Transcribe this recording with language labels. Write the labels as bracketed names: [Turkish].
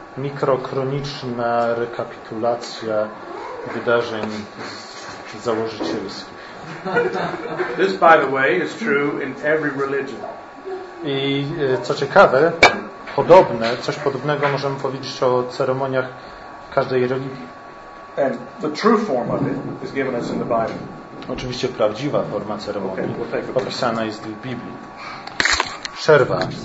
[Polish] Mikrochroniczna rekapitulacja wydarzeń założycielskich. [English] This, by the way, is true in every religion. [Polish] I co ciekawe, coś podobnego możemy powiedzieć o ceremoniach każdej religii. [English] And the true form of it is given us in the Bible. [Polish] Oczywiście prawdziwa forma ceremonii opisana jest w Biblii. Przerwa.